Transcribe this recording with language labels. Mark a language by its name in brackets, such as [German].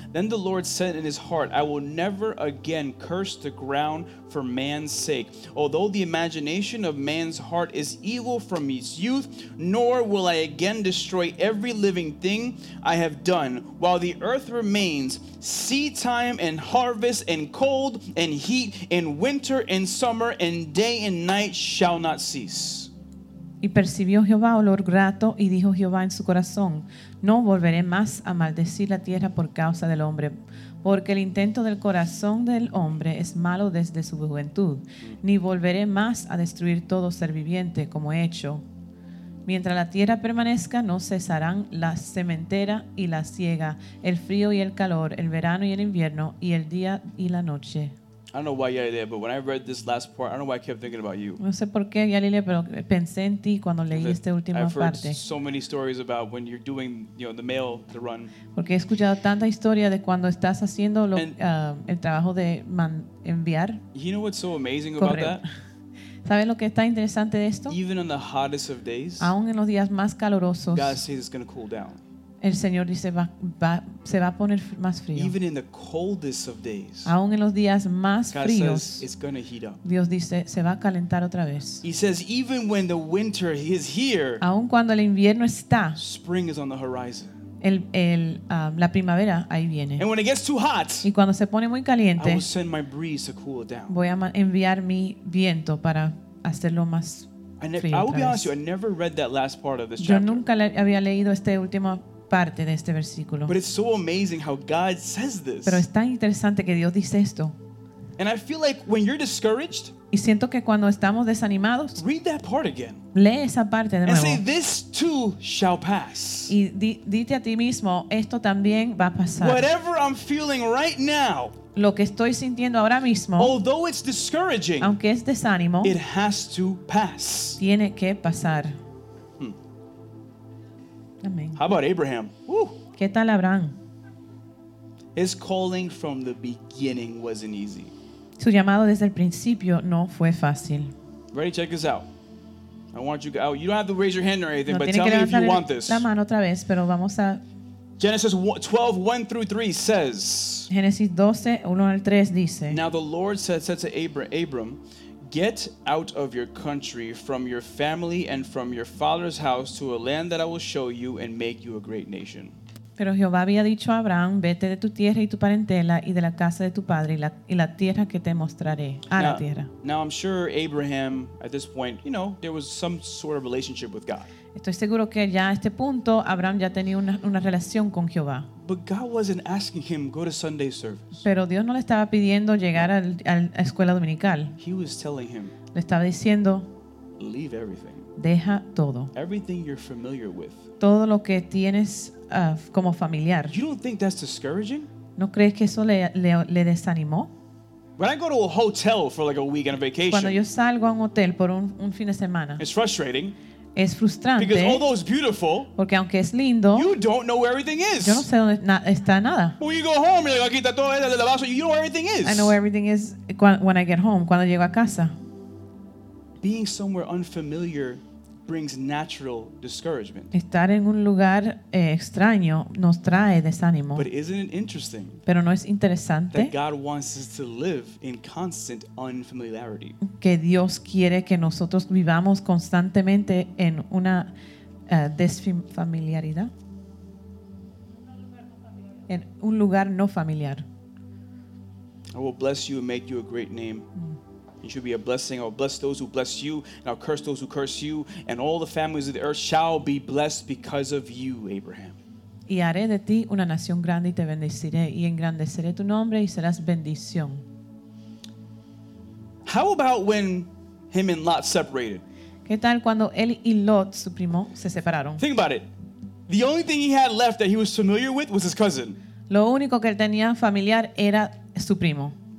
[English] Then the Lord said in his heart, I will never again curse the ground for man's sake, although the imagination of man's heart is evil from his youth, nor will I again destroy every living thing I have done. While the earth remains, seed time and harvest and cold and heat and winter and summer and day and night shall not cease." [Spanish] Y percibió Jehová olor grato y dijo Jehová en su corazón, no volveré más a maldecir la tierra por causa del hombre, porque el intento del corazón del hombre es malo desde su juventud, ni volveré más a destruir todo ser viviente como he hecho. Mientras la tierra permanezca, no cesarán la sementera y la siega, el frío y el calor, el verano y el invierno, y el día y la noche. [English] I don't know why Yalilia, but when I read this last part, I don't know why I kept thinking about you. [Spanish] No sé por qué, Yalilia, pero pensé en ti cuando leí esta última [English] I've [Spanish] parte. [English] I've heard so many stories about when you're doing, you know, the mail, the run. [Spanish] Porque he escuchado tanta historia de cuando estás haciendo lo, el trabajo de enviar. [English] You know what's so amazing correo. About that? [Spanish] ¿Sabes lo que está interesante de esto? [English] Even on the hottest of days, [Spanish] aún en los días más calurosos, [English] God says it's going to cool down. [Spanish] El Señor dice se va a poner más frío. [English] Even in the coldest of days, [Spanish] aún en los días más [English] God [Spanish] fríos, [English] says it's going to heat up. [Spanish] Dios dice se va a calentar otra vez. [English] He says even when the winter is here, [Spanish] aún cuando el invierno está, [English] spring is on the horizon. [Spanish] La primavera ahí viene. [English] And when it gets too hot, [Spanish] y cuando se pone muy caliente, [English] I will send my breeze to cool it down. [Spanish] Voy a enviar mi viento para hacerlo más frío. [English] I will be honest with you, I never read that last part of this [Spanish] Yo [English] chapter. [Spanish] Yo nunca había leído este último parte de este versículo. [English] But it's so amazing how God says this. [Spanish] Pero es tan interesante que Dios dice esto. [English] And I feel like when you're discouraged, [Spanish] y siento que cuando estamos desanimados, [English] read that part again. [Spanish] Lee esa parte de nuevo. [English] And say, this too shall pass. [Spanish] Y dite a ti mismo, esto también va a pasar. [English] Whatever I'm feeling right now, [Spanish] lo que estoy sintiendo ahora mismo, [English] although it's discouraging, [Spanish] aunque es desánimo, [English] it has to pass. [Spanish] Tiene que pasar. [English] How about Abraham? [Spanish] Woo. ¿Qué tal Abraham? [English] His calling from the beginning wasn't easy. [Spanish] Su llamado desde el principio no fue fácil. [English] Ready? Check this out. I want you. Oh, you don't have to raise your hand or anything, but tell me if you want this. [Spanish] La mano otra vez, pero vamos a. [English] Genesis 12:1-3 says. [Spanish] Génesis 12:1-3 dice. [English] Now the Lord said to Abram. Get out of your country, from your family, and from your father's house to a land that I will show you and make you a great nation. [Spanish] Pero Jehová había dicho a Abraham, vete de tu tierra y tu parentela y de la casa de tu padre y la tierra que te mostraré, a [English] now, [Spanish] la tierra. [English] Now I'm sure Abraham, at this point, you know, there was some sort of relationship with God. [Spanish] Estoy seguro que ya a este punto Abraham ya tenía una relación con Jehová. [English] But God wasn't asking him go to Sunday service. [Spanish] Pero Dios no le estaba pidiendo llegar a la escuela dominical. [English] He was telling him. [Spanish] Le estaba diciendo. [English] Leave everything. [Spanish] Deja todo. [English] Everything you're familiar with. [Spanish] Todo lo que tienes como familiar. [English] You don't think that's discouraging? [Spanish] ¿No crees que eso le desanimó? [English] When I go to a hotel for like a week on a vacation. [Spanish] Cuando yo salgo a un hotel por un fin de semana. [English] It's frustrating. [Spanish] Es frustrante. [English] Because although it's beautiful. [Spanish] Porque aunque es lindo. [English] You don't know where everything is. [Spanish] Yo no sé dónde está nada. [English] When you go home, you're like, [Spanish] aquí está todo el lavazo. [English] You know where everything is. I know where everything is when I get home. [Spanish] Cuando llego a casa. [English] Being somewhere unfamiliar brings natural discouragement. [Spanish] Estar en un lugar extraño nos trae desánimo. [English] But isn't it interesting? [Spanish] Pero no es interesante. [English] That God wants us to live in constant unfamiliarity. [Spanish] Que Dios quiere que nosotros vivamos constantemente en una desfamiliaridad. En un lugar no familiar. [English] I will bless you and make you a great name. You should be a blessing. I'll bless those who bless you, and I'll curse those who curse you, and all the families of the earth shall be blessed because of you, Abraham. [Spanish] Y haré de ti una nación grande y te bendeciré y engrandeceré tu nombre y serás bendición. [English] How about when him and Lot separated? [Spanish] ¿Qué tal cuando él y Lot, su primo, se separaron? [English] Think about it. The only thing he had left that he was familiar with was his cousin. [Spanish] Lo único que él tenía familiar era su primo.